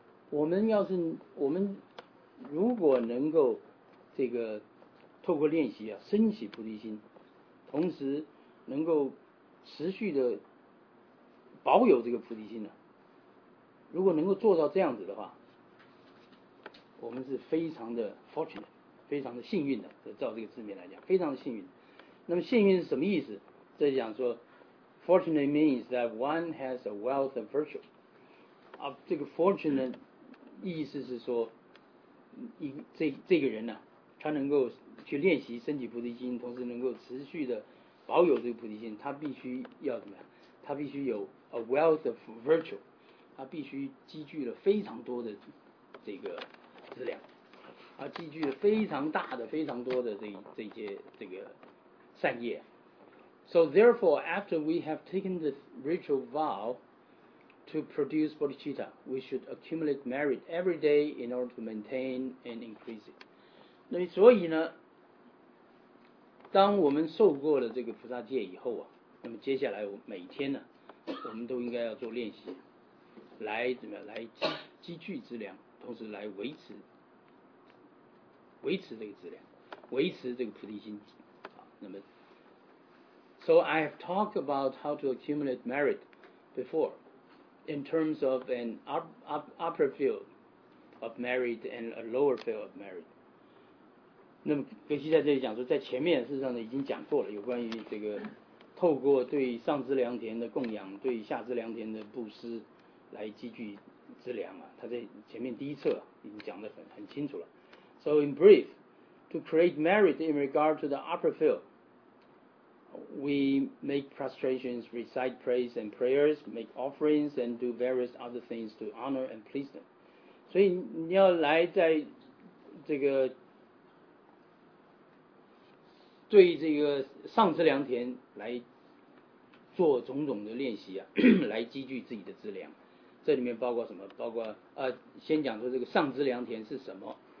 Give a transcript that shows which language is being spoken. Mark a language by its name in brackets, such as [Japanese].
[Chinese] 我们如果能够这个透过练习啊，升起菩提心，同时能够持续的保有这个菩提心啊，如果能够做到这样子的话，我们是非常的 fortunate。非常的幸运的，照这个字面来讲，非常的幸运。那么幸运是什么意思？这就讲说 [English] ，fortunate means that one has a wealth of virtue。 [Chinese] 啊，这个 fortunate 意思是说，这个人呢、啊，他能够去练习升起菩提心，同时能够持续的保有这个菩提心，他必须要怎么样？他必须有 [English] a wealth of virtue， [Chinese] 他必须积聚了非常多的这个资粮。他积聚了非常大的、非常多的这些这个善业。 [English] So therefore, after we have taken the ritual vow to produce bodhicitta, we should accumulate merit every day in order to maintain and increase it. [Chinese] 那所以呢，当我们受过了这个菩萨戒以后啊，那么接下来每天呢，我们都应该要做练习，来怎么样来积聚资粮，同时来维持这个质量，维持这个菩提心。 [English] 那么 So I have talked about how to accumulate merit before in terms of an upper field of merit and a lower field of merit. [Chinese] 那么格西在这里讲说，在前面事实上呢已经讲过了，有关于这个透过对上知良田的供养，对下知良田的布施来积聚资粮啊，他在前面第一册已经讲得很清楚了。 [English] So in brief, to create merit in regard to the upper field, we make prostrations, recite praise and prayers, make offerings and do various other things to honor and please them. [Chinese] 所以你要来在这个对这个上知良田来做种种的练习啊，来积聚自己的资粮。这里面包括什么？包括先讲说这个上知良田是什么。